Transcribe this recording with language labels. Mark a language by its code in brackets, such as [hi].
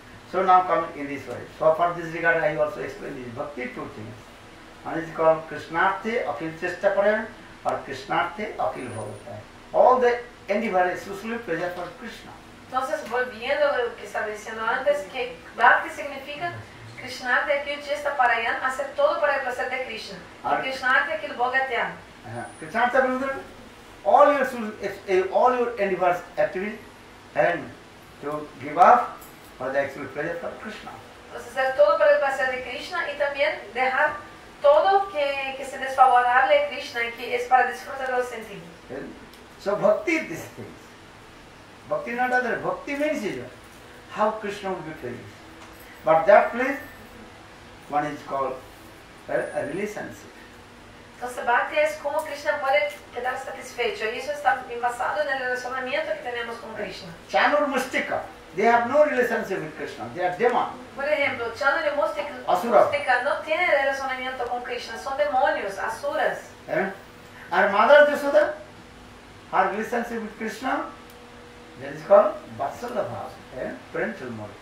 [en] So now come in this way. So for this regard, I also explain this bhakti two things. One is called Krishnarthi Akhil Chesta Parayan or Krishnarthi Akhil Bhavatai. All the endeavor is usually pleasure for Krishna. [es] Entonces, volviendo a lo que estaba diciendo antes, que Bhakti significa Krishnarthi Akhil Chesta Parayan, hacer todo para el placer de Krishna. Krishnarthi Akhil Bhogatyan. [sa] Krishnarthi Akhil [en] all your endeavors actually and to give up for the actual pleasure of Krishna. [es] Entonces hacer todo para el placer de Krishna y también dejar todo que sea desfavorable a Krishna y que es para disfrutar los sentidos. [en] So bhakti this thing. Bhakti not other. Bhakti means is how Krishna will be pleased. But that place, one is called a relationship. [es] Entonces bhakti es como Krishna puede quedar satisfecho. Y eso está basado en el relacionamiento que tenemos con Krishna. [en] Chanur mustika. They have no relationship with Krishna. They are demon. [es] Por ejemplo, Chanur y mustika no tiene relacionamiento con Krishna. Son demonios, asuras. Eh? [en] Our mother Yashoda, her relationship with Krishna, that is called Vatsala Bhava, parental mode.